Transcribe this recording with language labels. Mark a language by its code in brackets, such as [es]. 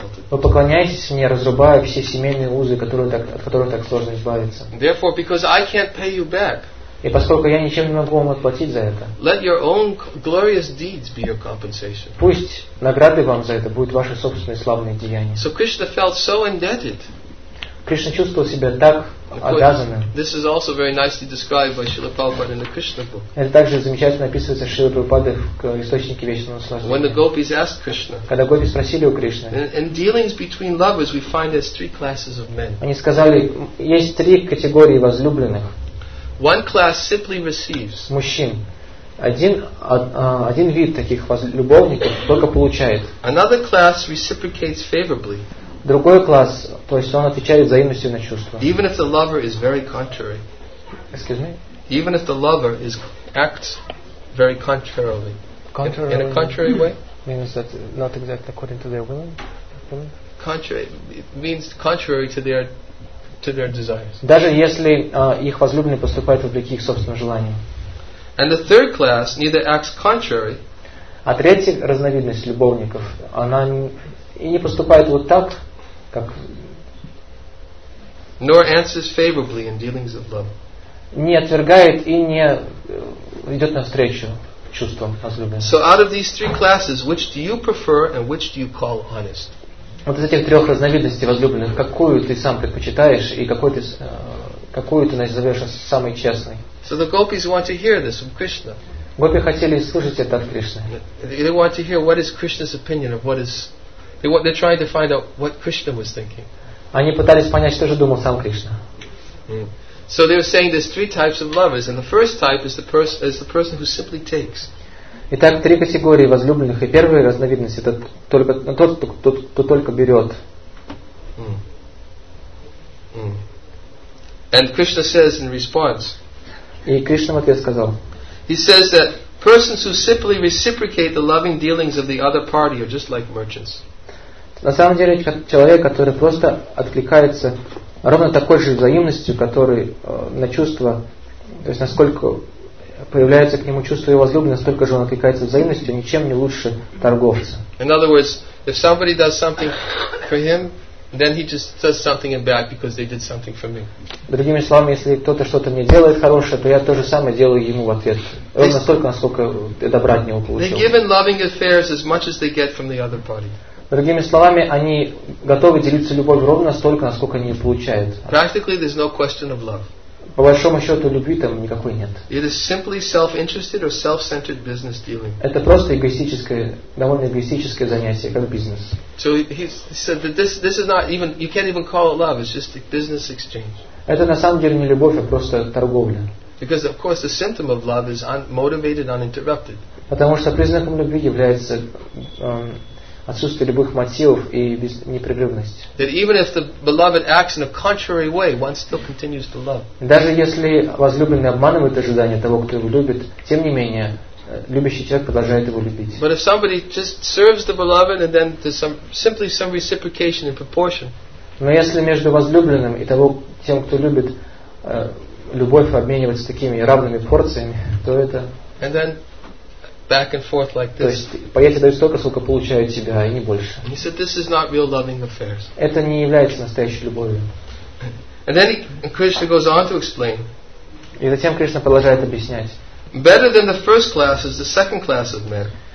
[ru] Вы поклоняетесь мне, разрубая все семейные узы, от которых так сложно избавиться. [en] Therefore, because I can't pay you back. [ru] И поскольку я ничем не могу вам отплатить за это, [en] let your own glorious deeds be your compensation. [ru] Пусть награды вам за это будут ваши собственные славные деяния. [en] So Krishna felt so indebted. [ru] Кришна чувствовал себя так обязанным. [en] This is also very nicely described by Srila Prabhupada in the Krishna book. [ru] Это также замечательно описывается Шрила Прабхупада в источнике вечного наслаждения. [en] When the gopis asked Krishna. [ru] Когда гопи спросили у Кришны. [en] In dealings between lovers, we find there's three classes of men. [ru] Они сказали, есть три категории возлюбленных. [en] One class simply receives. [ru] Мужчин. Один вид таких возлюбовников только получает. [en] Another class reciprocates favorably. [ru] Другой класс, то есть он отвечает взаимностью на чувства. [en] Even if the lover is very contrary. Excuse me? Even if the lover is acts very contrarily. Contrary. In a contrary way? Means that not exactly according to their willing. Contrary. It means contrary to their desires. [ru] Даже если их возлюбленный поступает вопреки их собственным желаниям. [en] And the third class neither acts contrary. [ru] А третья разновидность любовников, она и не поступает вот так, как. [en] Nor answers favorably in dealings of love. [ru] Не отвергает и не идет навстречу чувствам возлюбленных. [en] So out of these three classes, which do you prefer and which do you call honest? [ru] Вот из этих трех разновидностей возлюбленных, какую ты сам предпочитаешь и какую ты назовешь самой честной? [en] So the gopis want to hear this from Krishna. [ru] Гопи хотели слышать это от Кришны. [en] They want to hear what is Krishna's opinion of what is. They're trying to find out what Krishna was thinking. [ru] Они пытались понять, что же думал сам Кришна. [en] So they were saying there's three types of lovers, and the first type is the person who simply takes. [ru] Итак, три категории возлюбленных, и первая разновидность это тот, кто только берет. [en] And Krishna says in response. [ru] И Кришна в ответ сказал. [en] He says that persons who simply reciprocate the loving dealings of the other party are just like merchants. [ru] На самом деле, человек, который просто откликается ровно такой же взаимностью, который на чувство, то есть насколько появляется к нему чувство его возлюбленного, настолько же он откликается взаимностью, ничем не лучше торговца. [en] In other words, if somebody does something for him, then he just does something in back because they did something for me. [ru] Другими словами, если кто-то что-то мне делает хорошее, то я то же самое делаю ему в ответ. Он настолько добра от него получил. [en] They give in loving affairs as much as they get from the other party. [ru] Другими словами, они готовы делиться любовью ровно столько, насколько они получают. [en] Practically, there's no question of love. [ru] По большому счету, любви там никакой нет. [en] It is simply self-interested or self-centered business dealing. [ru] Это просто эгоистическое, довольно эгоистическое занятие, как бизнес. [en] So he said that this is not even, you can't even call it love, it's just a business exchange. [ru] Это на самом деле не любовь, а просто торговля. [en] Because of course the symptom of love is unmotivated, uninterrupted. [ru] Потому что признаком любви является отсутствие любых мотивов и непрерывность. [en] That even if the beloved acts in a contrary way, one still continues to love. [ru] Даже если возлюбленный обманывает ожидания того, кто его любит, тем не менее любящий человек продолжает его любить. [en] But if somebody just serves the beloved and then there's simply some reciprocation in proportion. [ru] Но если между возлюбленным и тем, кто любит, любовь обменивается такими равными порциями, то это. [en] And then back and forth like this. [ru] То есть, поесть я даю столько, сколько получаю от тебя, и не больше. [en] He said, "This is not real loving affairs." [ru] Это не является настоящей любовью. [en] And then Krishna goes on to explain. [ru] И затем Кришна продолжает объяснять. [en] Better than the first class is the second class of men.